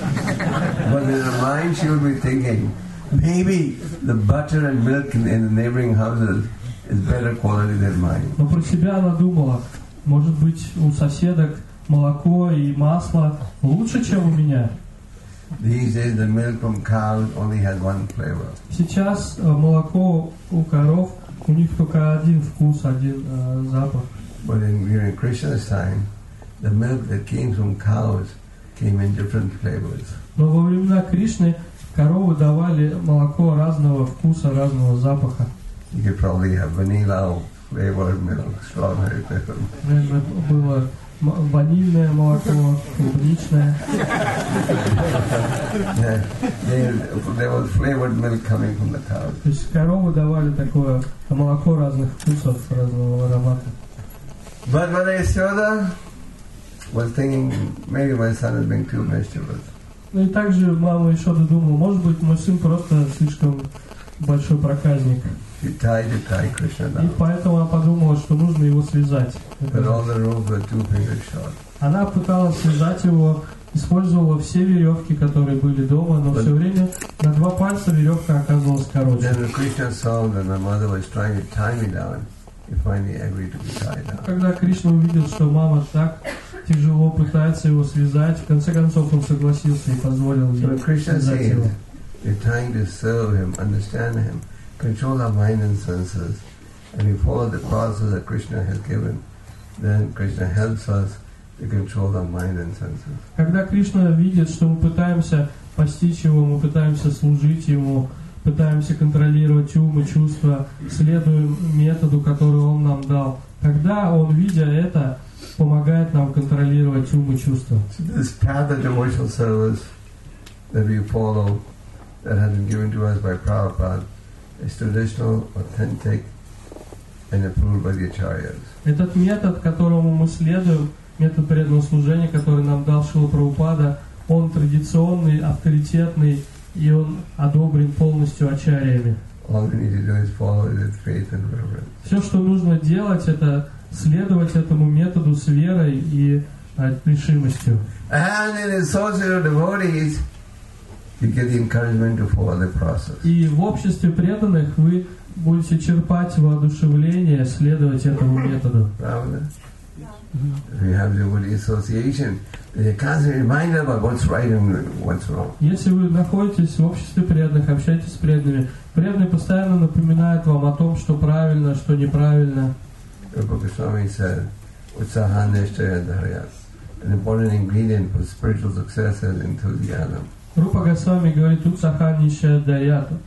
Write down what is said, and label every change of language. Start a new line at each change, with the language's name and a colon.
English: But in her mind, she would be thinking, maybe the butter and milk in the neighboring houses is better quality than mine.
Russian: Но про себя она думала, может быть, у соседок молоко и масло лучше, чем у меня.
English: These days, the milk from cows only has one flavor.
Russian: Сейчас молоко у коров у них только один вкус, один запах.
English: But during Krishna's time, the milk that came from cows came in different flavors.
Russian: Но во времена Кришны коровы давали молоко разного вкуса, разного запаха.
English: You could probably have vanilla flavored milk, strawberry flavored.
Russian: Было ванильное молоко, клубничное.
English: There was flavored milk coming from the cows.
Russian: То есть коровы давали такое молоко разных вкусов, разного аромата.
English: But when I saw that, was thinking maybe my son has been too mischievous.
Russian: Ну и также мама еще додумала, может быть, мой сын просто слишком большой проказник.
English: He tied Krishna down.
Russian: И поэтому она подумала, что нужно его связать.
English: But all the ropes were two fingers short.
Russian: Она пыталась связать его, использовала все веревки, которые были дома, но все время на два пальца веревка оказывалась короче.
English: Then Krishna saw that my mother was trying to tie me down. He finally agreed to be tied down.
Russian: Когда Кришна увидел, что мама так тяжело пытается его связать, в конце концов он согласился и позволил ей связать его.
English: Serve him, understand him, control our mind and senses, and we follow the process that Krishna has given, then Krishna helps us to control our mind and senses.
Russian: Когда Кришна видит, что мы пытаемся постичь его, мы пытаемся служить ему, пытаемся контролировать ум и чувства, следуем методу, который он нам дал. Тогда он, видя это, помогает нам контролировать ум и чувства.
English: This path of devotional service that we follow, that has been given to us by Prabhupada, is traditional, authentic, and approved by the acharyas.
Russian: Этот метод, которому мы следуем, метод преданного служения, который нам дал Шрила Прабхупада, он традиционный, авторитетный, и он одобрен полностью ачарьями.
English: All we need to do is follow it with faith and reverence.
Russian: Все, что нужно делать, это следовать этому методу с верой и решимостью.
English: And in associated devotees, you get the encouragement to follow the process.
Russian: И в обществе преданных вы будете черпать воодушевление следовать этому методу.
English: If you have devotee association, you constantly remind them about what's right and what's wrong.
Russian: Если вы находитесь в обществе преданных, общаетесь с преданными, преданные постоянно напоминают вам о том, что правильно, что неправильно.
English: Rupa Goswami said,
Sanskrit: "Utsaha nishchaya dharyat."
English: An important ingredient for spiritual success is enthusiasm.
Russian: Rupa Goswami говорит,
Sanskrit: "Utsaha nishchaya dharyat."